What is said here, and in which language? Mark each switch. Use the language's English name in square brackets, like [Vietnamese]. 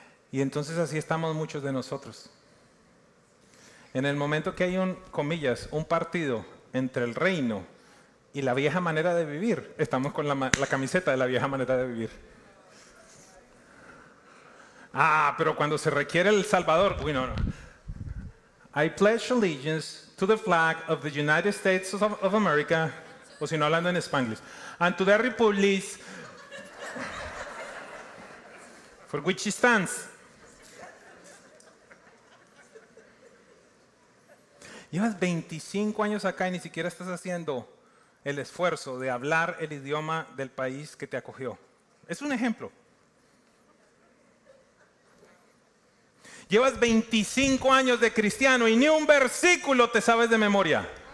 [Spanish] Y entonces así estamos muchos de nosotros. En el momento que hay un, comillas, un partido entre el reino y la vieja manera de vivir, estamos con la camiseta de la vieja manera de vivir. Ah, pero cuando se requiere el Salvador, uy, no, no. [English] I pledge allegiance to the flag of the United States of America, [Spanish] o si no hablando en Spanglish, [English] and to the Republic, for which it stands. [Spanish] Llevas 25 años acá y ni siquiera estás haciendo el esfuerzo de hablar el idioma del país que te acogió. Es un ejemplo. Llevas 25 años de cristiano y ni un versículo te sabes de memoria.